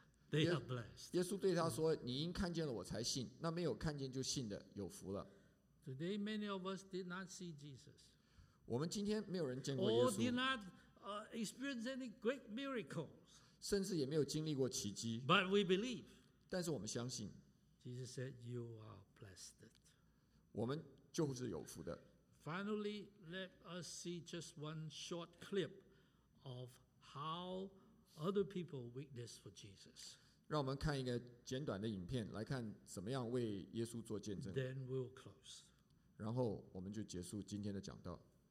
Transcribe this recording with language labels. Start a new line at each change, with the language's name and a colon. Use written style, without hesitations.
English: They are blessed.
Chinese: 耶稣对他说：“你因看见了我才信，那没有看见就信的有福了。”
English: Today, many of us did not see Jesus.
Chinese: 我们今天没有人见过耶稣
English: or did not experience any great miracles,
Chinese: 甚至也没有经历过奇迹
English: but we believe,
Chinese: 但是我们相信
English: Jesus said you are blessed
Chinese: 我们就是有福的
English: Finally, let us see just one short clip of how other people witness for Jesus
Chinese: 让我们看一个简短的影片来看怎么样为耶稣做见证
English: Then we'll close
Chinese: 然后我们就结束今天的讲道